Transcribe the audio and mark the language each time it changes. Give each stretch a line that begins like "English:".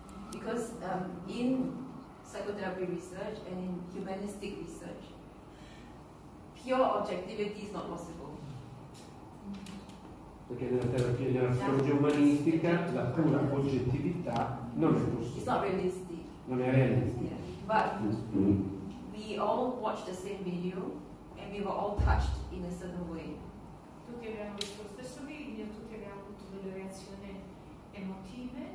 English: Because in psychotherapy research and in humanistic research, pure objectivity is not possible.
Italian: Perché nella terapia della psicologia umanistica la pura oggettività non è possibile.
English: It's not realistic.
Italian: Non è realistico.
English: Yeah. But we all watched the same video and we were all touched in a certain way.
Italian: Tutti abbiamo visto lo stesso video, tutti abbiamo avuto delle reazioni emotive.